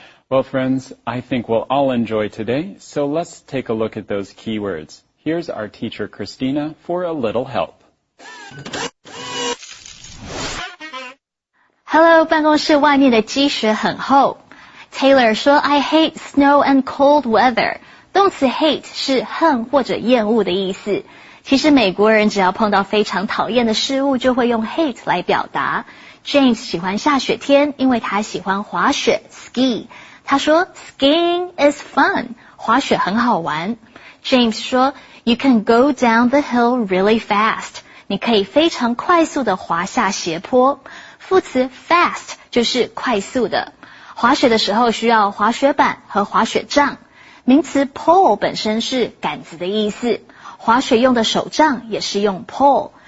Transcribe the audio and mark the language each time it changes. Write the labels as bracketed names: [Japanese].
[English] Well, friends, I think we'll all enjoy today, so let's take a look at those keywords. Here's our teacher, Christina, for a little help. Hello, [Chinese] 办公室外面的积雪很厚。 [English] Taylor [Chinese] 说 [English] I hate snow and cold weather. [Chinese] 动词 hate 是恨或者厌恶的意思。其实美国人只要碰到非常讨厌的事物就会用 hate 来表达。 James 喜欢下雪天因为他喜欢滑雪 ,ski。他说 [English] skiing is fun, [Chinese] 滑雪很好玩。 [English] James [Chinese] 说 [English] ,You can go down the hill really fast. [Chinese] 你可以非常快速地滑下斜坡。副词 fast 就是快速的。滑雪的时候需要滑雪板和滑雪杖。名词 pole 本身是杆子的意思。滑雪用的手杖也是用 pole。